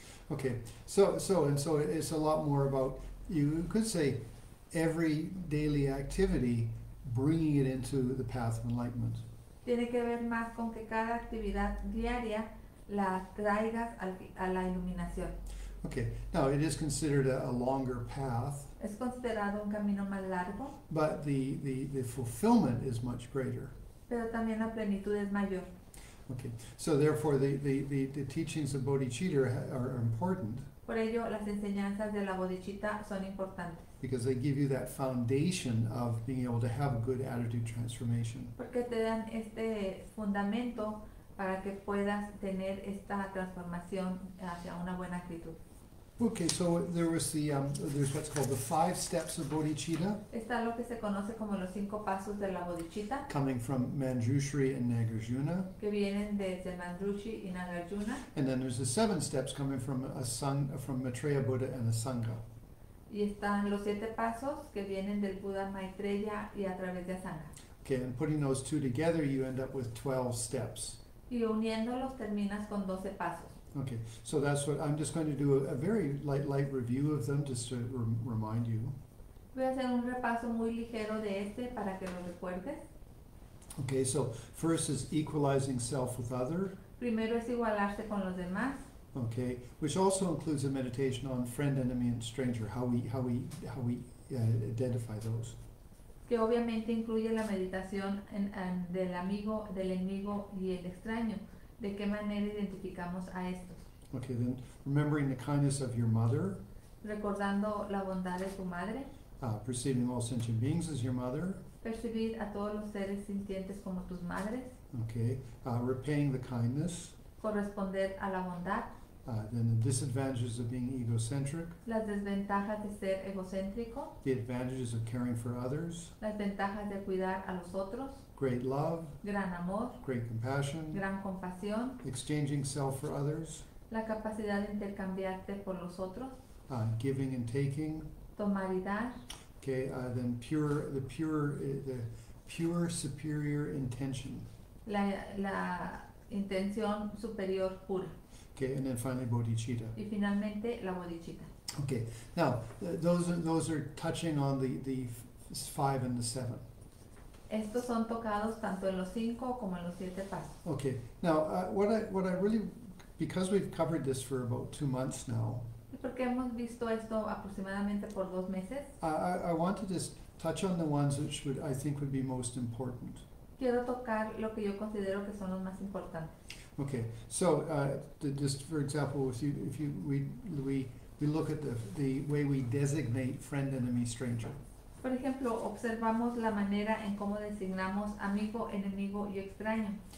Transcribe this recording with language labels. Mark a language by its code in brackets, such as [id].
[en] Okay, so it's a lot more about, you could say, every daily activity bringing it into the path of enlightenment. [es] Tiene que ver más con que cada actividad diaria la traigas a la iluminación. [en] Okay, now it is considered a longer path. [es] Es considerado un camino más largo. [en] But the fulfillment is much greater. [es] Pero también la plenitud es mayor. [en] Okay, so therefore the teachings of Bodhicitta are important. [es] Por ello, las enseñanzas de la Bodhicitta son importantes. [en] Because they give you that foundation of being able to have a good attitude transformation. [es] Porque te dan este fundamento para que puedas tener esta transformación hacia una buena actitud. [en] Okay, so there was there's what's called the five steps of Bodhicitta. [es] Está lo que se conoce como los cinco pasos de la Bodhicitta. [en] Coming from Manjushri and Nagarjuna. [es] Que vienen desde Manjushri y Nagarjuna. [en] And then there's the seven steps coming from from Maitreya Buddha and the Sangha. [es] Y están los siete pasos que vienen del Buda Maitreya y a través de Sangha. [en] Okay, and putting those two together, you end up with 12 steps. [es] Y uniéndolos terminas con 12 pasos. [en] Okay, so that's what I'm just going to do a very light review of them just to remind you. [es] Voy a hacer un repaso muy ligero de este para que lo recuerdes. [en] Okay, so first is equalizing self with other. [es] Primero es igualarse con los demás. [en] Okay, which also includes a meditation on friend, enemy, and stranger. How we identify those. [es] Que obviamente incluye la meditación del amigo, del enemigo y el extraño. ¿De qué manera identificamos a estos? [en] Okay, then remembering the kindness of your mother. [es] Recordando la bondad de tu madre. [en] Perceiving all sentient beings as your mother. [es] Percibir a todos los seres sintientes como tus madres. [en] Okay, repaying the kindness. [es] Corresponder a la bondad. [en] Then the disadvantages of being egocentric. [es] Las desventajas de ser egocéntrico. [en] The advantages of caring for others. [es] Las ventajas de cuidar a los otros. [en] Great love, [es] gran amor, [en] great compassion, [es] gran compasión, [en] exchanging self for others, [es] la capacidad de intercambiarte por los otros, [en] giving and taking, [es] tomar y dar, [en] okay, then pure superior intention, [es] la intención superior pura, [en] okay, and then finally bodhicitta, [es] y finalmente la bodhicitta. [en] Okay, now those are touching on the five and the seven. [es] Estos son tocados tanto en los cinco como en los siete pasos. [en] Okay. Now, because we've covered this for about 2 months now. [es] Porque hemos visto esto aproximadamente por 2 meses. [en] I want to just touch on the ones which would be most important. [es] Quiero tocar lo que yo considero que son los más importantes. [en] Okay. So, just for example, if we look at the way we designate friend, enemy, stranger. [es] Por ejemplo, observamos la manera en cómo designamos amigo, enemigo y extraño.